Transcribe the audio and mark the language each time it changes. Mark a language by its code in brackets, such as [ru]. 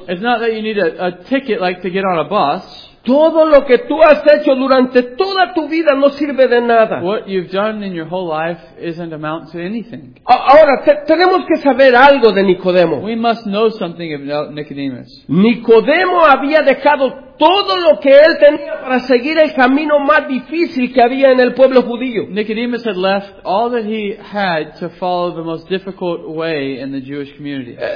[en] It's not that you need a ticket like to get on a bus. [es] Todo lo que tú has hecho durante toda tu vida no sirve de nada. [en] What you've done in your whole life isn't amount to anything. [es] Ahora, tenemos que saber algo de Nicodemo. [en] We must know something about Nicodemus. [es] Nicodemo había dejado todo lo que él tenía para seguir el camino más difícil que había en el pueblo judío. [en] Nicodemus had left all that he had to follow the most difficult way in the Jewish community.